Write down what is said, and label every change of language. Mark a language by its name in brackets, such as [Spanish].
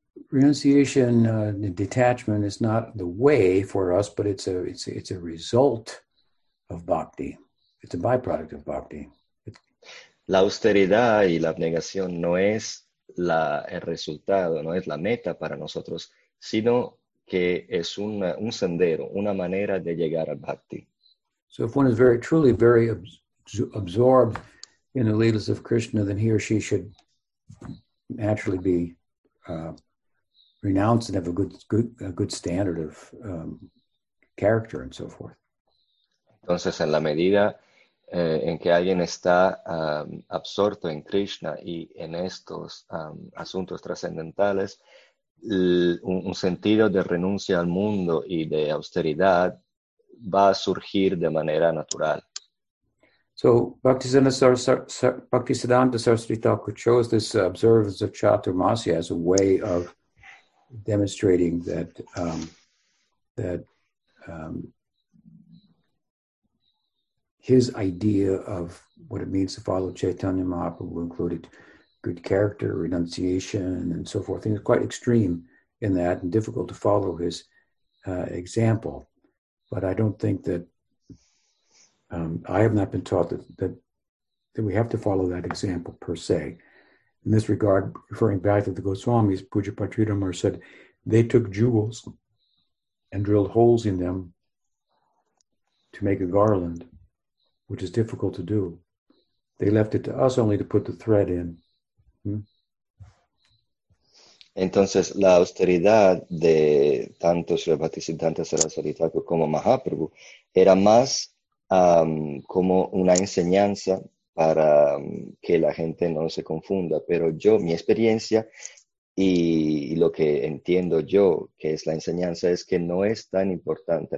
[English] Renunciation, detachment is not the way for us, but it's a result of bhakti. It's a byproduct of bhakti. [Spanish] La austeridad y la abnegación no es el resultado, no es la meta para nosotros, sino que es un sendero, una manera de llegar al bhakti. [English] So if one is very truly very absorbed in the leelas of Krishna, then he or she should naturally be renounce and have a good standard of character and so forth. [Spanish] Entonces, en la medida en que alguien está absorto en Krishna y en estos asuntos trascendentales, un sentido de renuncia al mundo y de austeridad va a surgir de manera natural. [English] So, Bhaktisiddhanta Saraswati Thakur chose this observance of Chaturmasya as a way of demonstrating that his idea of what it means to follow Chaitanya Mahaprabhu included good character, renunciation, and so forth. And it's quite extreme in that and difficult to follow his example. But I don't think that I have not been taught that we have to follow that example per se. In this regard, referring back to the Goswamis, Puja Patridamar said, they took jewels and drilled holes in them to make a garland, which is difficult to do. They left it to us only to put the thread in. [Spanish] Entonces, la austeridad de tanto Sri Bhaktisiddhanta Sarasvati como Mahaprabhu era más como una enseñanza para que la gente no se confunda. Pero yo, mi experiencia y lo que entiendo yo, que es la enseñanza, es que no es tan importante.